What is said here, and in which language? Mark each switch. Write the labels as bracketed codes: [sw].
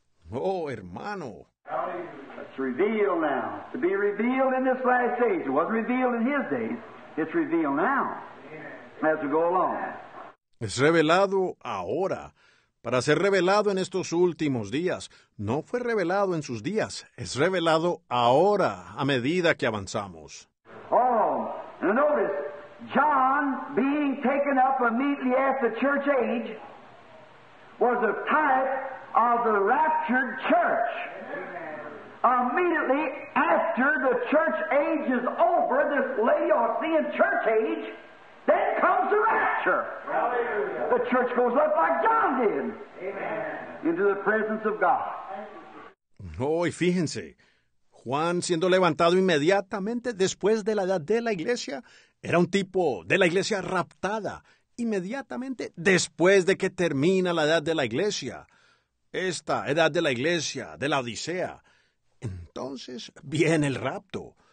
[es] ¡Oh, hermano! [en] It's revealed now. To be revealed in this last age. It wasn't revealed in his days. It's revealed now. As we go along. [es] Es revelado ahora, para ser revelado en estos últimos días. No fue revelado en sus días, es revelado ahora, a medida que avanzamos. [en] Oh, and notice, John being taken up immediately after the church age was a type of the raptured church. Immediately after the church age is over, this Laodicean church age, then comes the rapture. The church goes up like John did. Amen. Into the presence of God. [es] Oh, y fíjense, Juan siendo levantado inmediatamente después de la edad de la iglesia, era un tipo de la iglesia raptada inmediatamente después de que termina la edad de la iglesia. Esta edad de la iglesia, de la Odisea. Entonces viene el rapto.